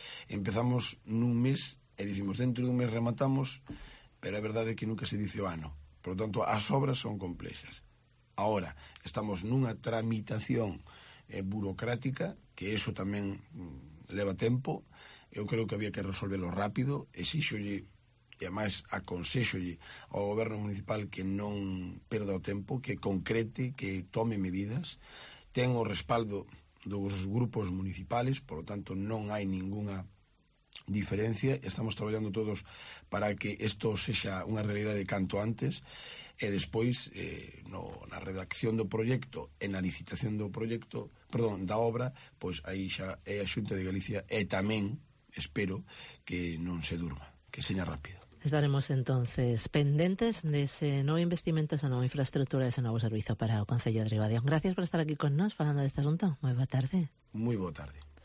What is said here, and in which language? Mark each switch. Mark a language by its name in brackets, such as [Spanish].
[Galician] Empezamos nun mes e dicimos dentro dun mes rematamos, pero é verdade que nunca se dice o ano. Por tanto, as obras son complexas. Ahora, estamos nunha tramitación burocrática, que eso tamén leva tempo. Eu creo que había que resolverlo rápido. Exíxolle, e además aconsexolle ao Goberno Municipal que non perda o tempo, que concrete, que tome medidas. Ten o respaldo dos grupos municipales, [Spanish] por lo tanto [Galician] non hai ninguna diferencia. Estamos traballando todos para que isto sexa unha realidade canto antes. E despois, na redacción do proxecto, en a licitación do proxecto, perdón, da obra, pois aí xa é a Xunta de Galicia, e tamén espero que non se durma, que seña rápido. [Spanish] Estaremos entonces pendientes de ese nuevo investimento, esa nueva infraestructura, ese nuevo servicio para el Concello de Ribadeo. Gracias por estar aquí con nos, hablando de este asunto. Muy buena tarde. Muy buena tarde.